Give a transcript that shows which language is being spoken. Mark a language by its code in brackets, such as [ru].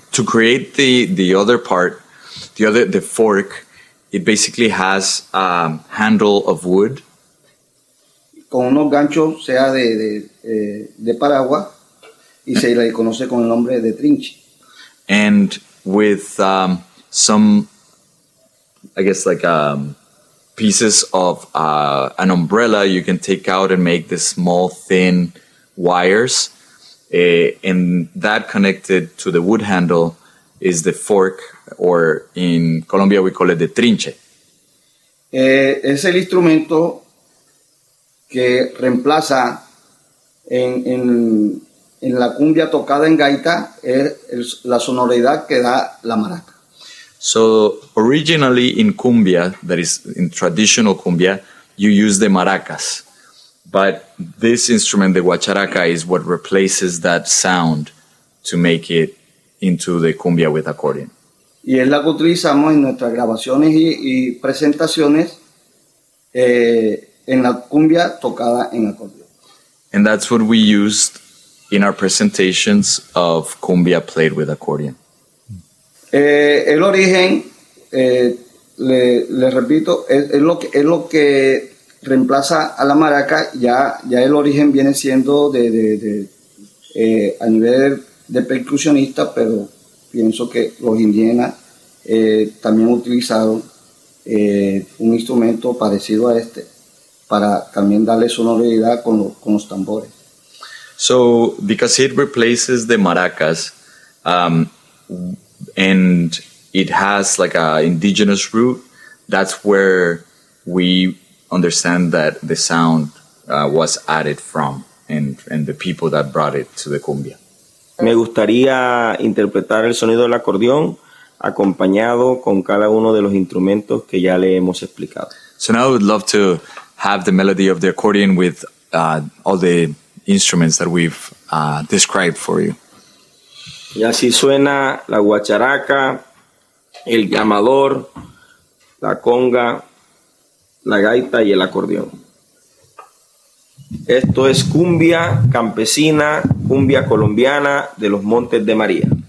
[en] To create the other part, the fork, it basically has a handle of wood. [es] Con unos ganchos, sea de paraguas, y se le conoce con el nombre de trinche. [en] And with some, I guess, like pieces of an umbrella, you can take out and make these small, thin wires. And that connected to the wood handle is the fork, or in Colombia we call it the trinche. [es] Es el instrumento que reemplaza en la cumbia tocada en gaita es la sonoridad que da la maraca. [en] So originally in cumbia, that is in traditional cumbia, you use the maracas. But this instrument, the guacharaca, is what replaces that sound to make it into the cumbia with accordion. [es] Y es la que utilizamos en nuestras grabaciones y presentaciones en la cumbia tocada en acordeón. [en] And that's what we used in our presentations of cumbia played with accordion. [es] El origen, le repito, es lo que reemplaza a la maraca, ya el origen viene siendo a nivel de percusionista, pero pienso que los indígenas también utilizaron un instrumento parecido a este para también darle sonoridad con los tambores. [en] So, because it replaces the maracas, and it has like a indigenous root, that's where we understand that the sound was added from, and the people that brought it to the cumbia. [es] Me gustaría interpretar el sonido del acordeón acompañado con cada uno de los instrumentos que ya le hemos explicado. [en] So now I would love to have the melody of the accordion with all the instruments that we've described for you. [es] Y así suena la guacharaca, el llamador, la conga, la gaita y el acordeón. Esto es cumbia campesina, cumbia colombiana de los Montes de María.